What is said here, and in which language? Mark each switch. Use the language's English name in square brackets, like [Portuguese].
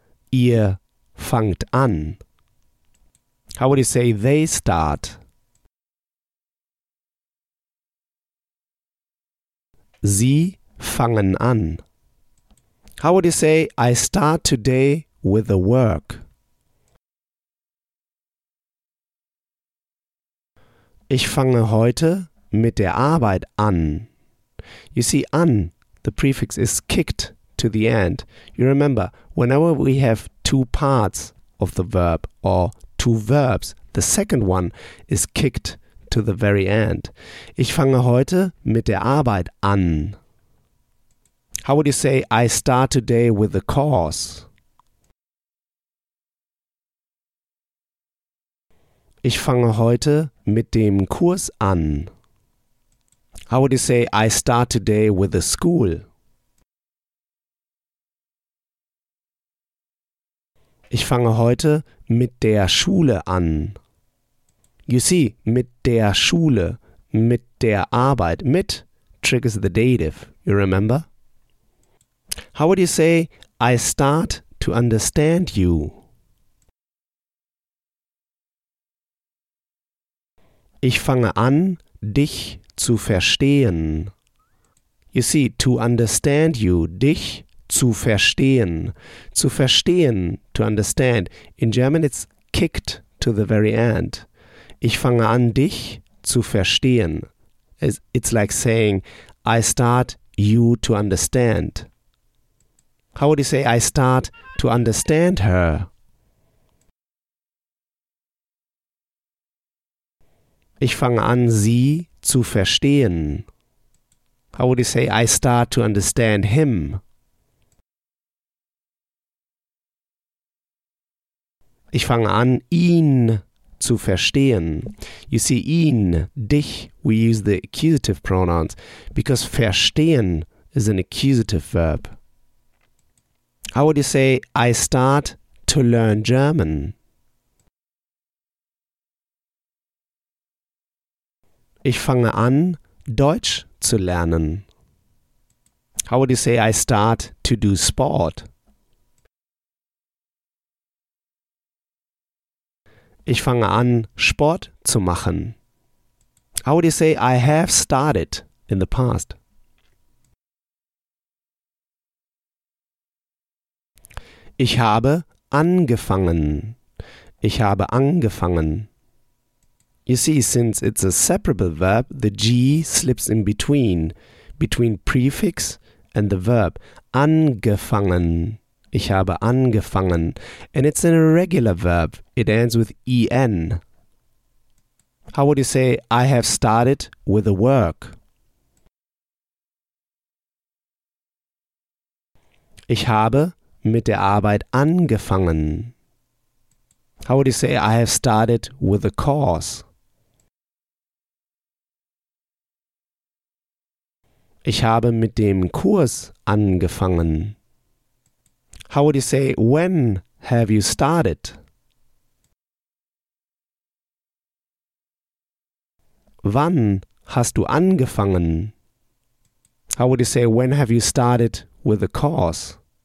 [German] Ihr fangt an. [English] How would you say, they start? [German] Sie fangen an. [English] How would you say, I start today with the work? [German] Ich fange heute mit der Arbeit an. [English] You see, an, the prefix is kicked to the end. You remember, whenever we have two parts of the verb or two verbs, the second one is kicked to the very end. [German] Ich fange heute mit der Arbeit an. [English] How would you say, I start today with the course? [German] Ich fange heute mit dem Kurs an. [English] How would you say, I start today with the school? [German] Ich fange heute mit der Schule an. [English] You see, [German] mit der Schule, mit der Arbeit, mit [English] triggers the dative, you remember? How would you say, I start to understand you? [German] Ich fange an, dich zu verstehen. [English] You see, to understand you, [German] dich zu verstehen. Zu verstehen, [English] to understand. In German, it's kicked to the very end. [German] Ich fange an, dich zu verstehen. [English] It's like saying, I start you to understand. How would you say, I start to understand her? [German] Ich fange an, sie zu verstehen. [English] How would you say, I start to understand him? [German] Ich fange an, ihn zu verstehen. [English] You see, ihn, dich, we use the accusative pronouns because verstehen is an accusative verb. How would you say, I start to learn German? [German] Ich fange an, Deutsch zu lernen. [English] How would you say, I start to do sport? [German] Ich fange an, Sport zu machen. [English] How would you say, I have started in the past? [German] Ich habe angefangen. Ich habe angefangen. [English] You see, since it's a separable verb, the G slips in between prefix and the verb. [German] Angefangen. Ich habe angefangen. [English] And it's an irregular verb. It ends with EN. How would you say, I have started with the work? [German] Ich habe mit der Arbeit angefangen. [English] How would you say, I have started with the course? [German] Ich habe mit dem Kurs angefangen. [English] How would you say, when have you started? [German] Wann hast du angefangen? [English] How would you say, when have you started with the course?